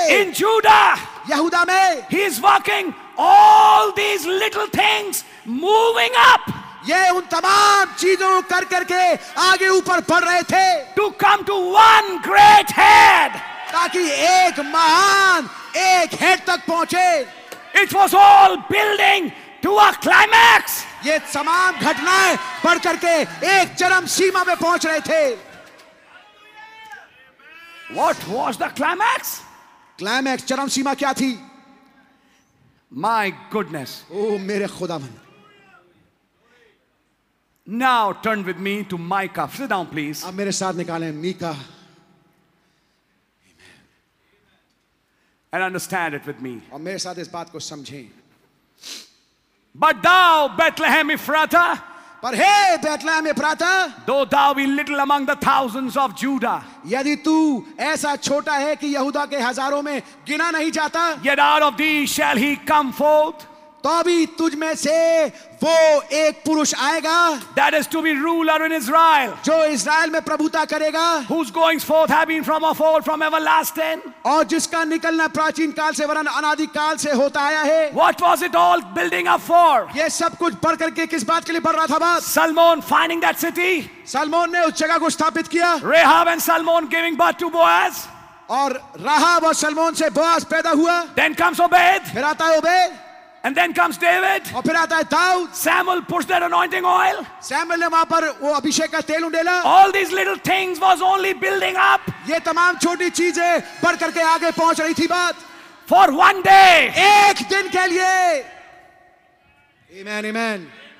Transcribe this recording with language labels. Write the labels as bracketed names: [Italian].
[English] In Judah. [Hindi] यहूदा में. [English] He is working all these little things moving up. [Hindi] ये उन तमाम चीजों कर करके आगे ऊपर बढ़ रहे थे. [English] To come to one great head. [Hindi] ताकि एक महान एक हेड तक पहुंचे. [English] It was all building to a climax. [Hindi] ये तमाम घटनाएं बढ़ करके एक चरम सीमा में पहुंच रहे थे. [English] What was the climax? [Hindi] Climax चरम सीमा क्या थी? [English] My goodness. [Hindi] Oh, मेरे खुदावंद. [English] Now turn with me to Micah. Sit down, please. [Hindi] आप मेरे साथ निकालें Mika. [English] And understand it with me. [Hindi] और मेरे साथ इस बात को समझें. [English] But thou, Bethlehem Ephrathah. [Hindi] पर hey, Bethlehem Ephrathah. [English] Though thou be little among the thousands of Judah. [Hindi] यदि तू ऐसा छोटा है कि यहूदा के हजारों में गिना नहीं जाता. [English] Yet out of thee shall he come forth. [Hindi] तो भी तुझ में से वो एक पुरुष आएगा. [English] That is to be ruler in Israel. [Hindi] जो इज़राइल में प्रभुता करेगा. [English] Whose goings forth have been from of old, from everlasting. [Hindi] और जिसका निकलना प्राचीन काल से वरन अनादि काल से होता आया है. [English] What was it all building up for? [Hindi] ये सब कुछ बढ़ करके किस बात के लिए बढ़ रहा था बात? [English] Salmon finding that city. [Hindi] Salmon ने उस जगह को स्थापित किया. [English] Rahab and Salmon giving birth to Boaz. [Hindi] और राहब और सलमोन से बोआज पैदा हुआ. [English] Then comes Obed. [Hindi] फिर आता है Obed. [English] And then comes David. [Hindi] Aur phir aata hai Daud. [English] Samuel pushed that anointing oil. [Hindi] Samuel ne wahan par wo abhishek ka tel undela. [English] All these little things was only building up. [Hindi] Ye tamam choti cheeze badh kar ke aage pahunch rahi thi baat. [English] For one day. [Hindi] Ek din ke liye. Amen, amen.